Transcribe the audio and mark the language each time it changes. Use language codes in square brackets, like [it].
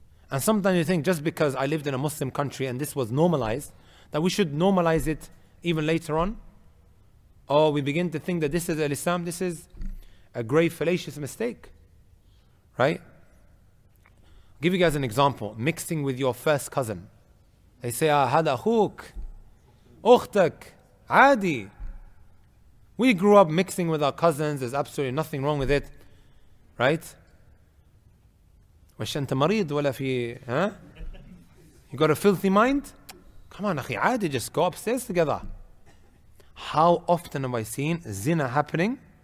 [en] And sometimes you think, just because I lived in a Muslim country and this was normalized, that we should normalize it even later on. Or we begin to think that this is al-Islam, this is a grave fallacious mistake, right? Give you guys an example. Mixing with your first cousin. They say, [ar] هذا أخوك أختك عادي. [en] We grew up mixing with our cousins. There's absolutely nothing wrong with it. Right? [ar] وش أنت مريض ولا في... [en] Huh? You got a filthy mind? Come on, [ar] أخي عادي. [en] Just go upstairs together. How often have I seen zina happening?